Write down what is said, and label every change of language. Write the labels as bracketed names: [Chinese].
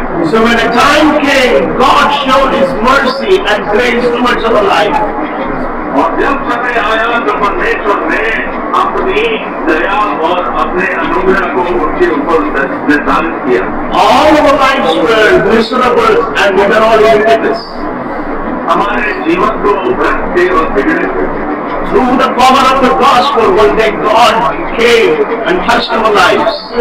[English] So when the time came, God showed His mercy and grace to much of our life. [Hindi] और जब समय आया तो परमेश्वर ने अपनी दया और अपने अनुग्रह को उनके ऊपर निर्धारित किया. [English] All of our lives were miserable and we were all in this. [Hindi] हमारे जीवन को भ्रष्ट थे और बिगड़े थे. [English] through the power of the gospel, one day God came and touched our lives.